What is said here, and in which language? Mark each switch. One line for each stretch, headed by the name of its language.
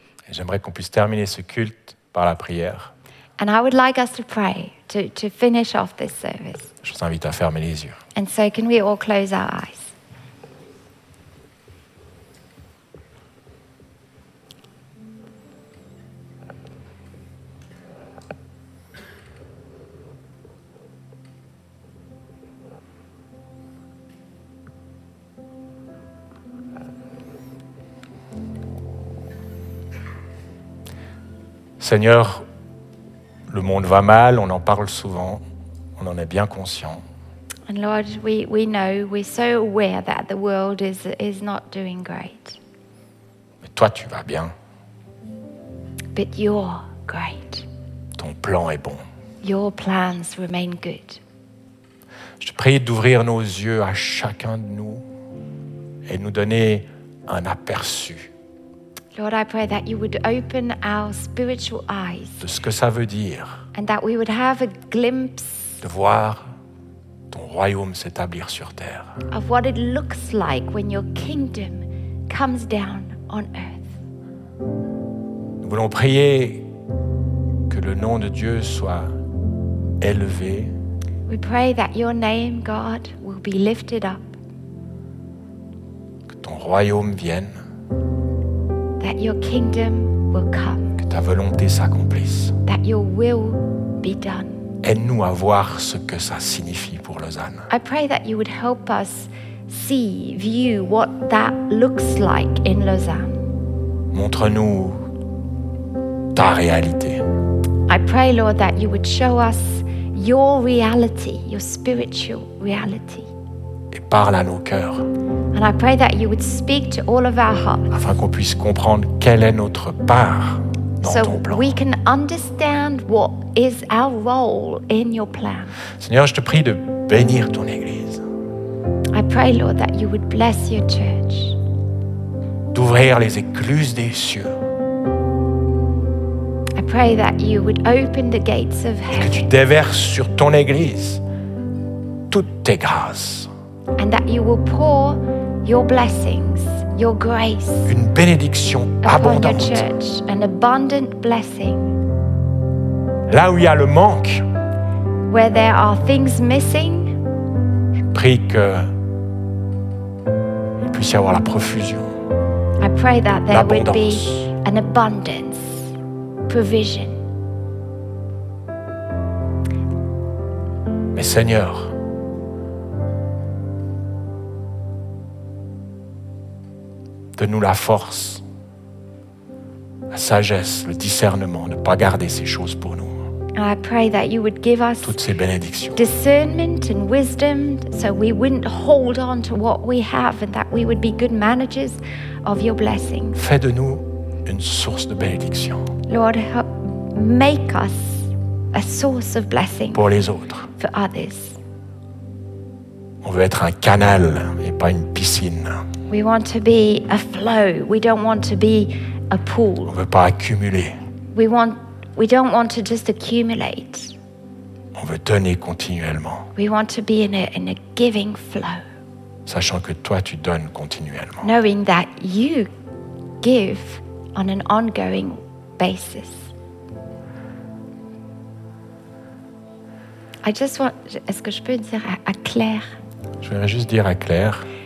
French: Et j'aimerais qu'on puisse terminer ce culte par la prière.
English: And I would like us to pray, to finish off this service.
French: Je vous invite à fermer les yeux.
English: And so can we all close our eyes?
French: Seigneur, le monde va mal, on en parle souvent, on en est bien conscient.
English: And Lord, we know, we're so aware that the world is not doing great.
French: Mais toi, tu vas bien.
English: But you're great.
French: Ton plan est bon.
English: Your plans remain good.
French: Je te prie d'ouvrir nos yeux à chacun de nous et nous donner un aperçu.
English: Lord, I pray that you would open our spiritual eyes.
French: De ce que ça veut dire.
English: And that we would have a glimpse.
French: De voir ton royaume s'établir sur terre.
English: Of what it looks like when your kingdom comes down on earth.
French: Nous voulons prier que le nom de Dieu soit élevé.
English: We pray that your name, God, will be lifted up.
French: Que ton royaume vienne.
English: That your kingdom will come.
French: Que ta volonté s'accomplisse.
English: That your will be done.
French: Aide-nous à voir ce que ça signifie pour Lausanne.
English: I pray that you would help us see, view what that looks like in Lausanne.
French: Montre-nous ta réalité.
English: I pray, Lord, that you would show us your reality, your spiritual reality.
French: Et parle à nos cœurs.
English: And I pray that you would speak to all of our hearts.
French: Afin qu'on puisse comprendre quelle est notre part dans
English: so
French: ton plan.
English: So we can understand what is our role in your plan.
French: Seigneur, je te prie de bénir ton église.
English: I pray, Lord, that you would bless your church.
French: D'ouvrir les écluses des cieux.
English: I pray that you would open the gates of heaven.
French: Et que tu déverses sur ton église toutes tes grâces.
English: And that you will pour your blessings, your grace.
French: Une bénédiction abondante.
English: Upon your church, an abundant blessing.
French: Là où il y a le manque.
English: Where there are things missing.
French: Je prie que il puisse y avoir la profusion.
English: I pray that there would be an abundance. Provision.
French: Mais Seigneur, donne-nous la force, la sagesse, le discernement, ne pas garder ces choses pour nous.
English: I pray that you would give us
French: toutes ces bénédictions.
English: Discernment and wisdom, so we wouldn't hold on to what we have, and that we would be good managers of your blessings.
French: Fais de nous une source de bénédiction.
English: Lord, help, make us a source of blessing
French: pour les autres.
English: For others.
French: On veut être un canal et pas une piscine.
English: We want to be a flow. We don't want to be a pool.
French: On veut pas accumuler.
English: We don't want to just accumulate.
French: On veut donner continuellement.
English: We want to be in a giving flow.
French: Sachant que toi tu donnes continuellement.
English: Knowing that you give on an ongoing basis. I just want,
French: est-ce que je peux dire à Claire? Je voudrais juste dire à Claire